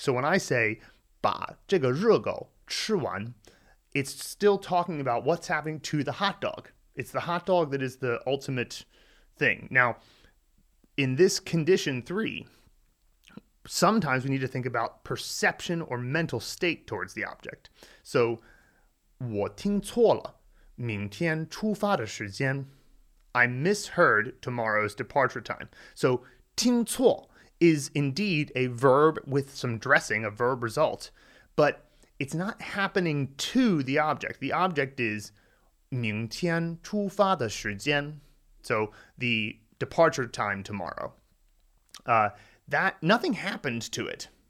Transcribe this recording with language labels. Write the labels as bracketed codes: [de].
[en] So when I say [zh] 把这个热狗吃完, [en] it's still talking about what's happening to the hot dog. It's the hot dog that is the ultimate thing. Now, in this condition three, sometimes we need to think about perception or mental state towards the object. [zh] So, 我听错了明天出发的时间. [en] I misheard tomorrow's departure time. So, 听错 is indeed a verb with some dressing, a verb result, but it's not happening to the object. The object is [zh] 明天出发的时间. [en] So, the departure time tomorrow. That nothing happened to it.